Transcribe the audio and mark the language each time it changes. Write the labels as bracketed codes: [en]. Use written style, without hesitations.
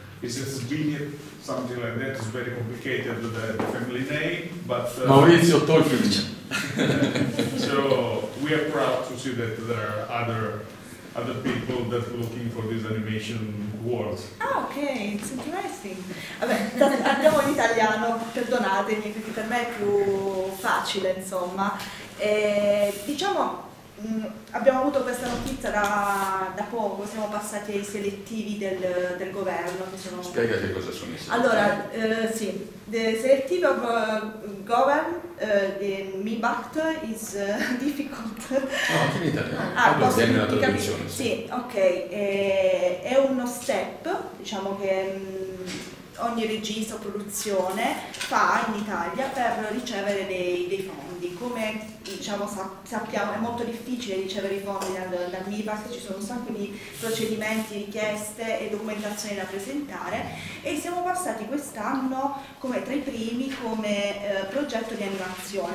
[en] He's a Zbigniew, something like that. It's very complicated, the family name. But Maurizio Tolkiewicz. So we are proud to see that there are other people that are looking for this animation world. Ah, ok, it's interesting. [it] Vabbè, andiamo in italiano, perdonatemi, perché per me è più facile, insomma. E, diciamo, abbiamo avuto questa notizia da poco, siamo passati ai selettivi del governo. Che sono... Spiegati cosa sono i selettivi. Allora, sì, [en] the selective of govern, the MIBACT is difficult. [it] No, anche in italiano. Ah, allora, posso dire? Sì. Sì, ok, è uno step, diciamo, che ogni regista o produzione fa in Italia per ricevere dei fondi. Come diciamo, sappiamo, è molto difficile ricevere i fondi dal MIBACT, ci sono un sacco di procedimenti, richieste e documentazioni da presentare, e siamo passati quest'anno come tra i primi come progetto di animazione.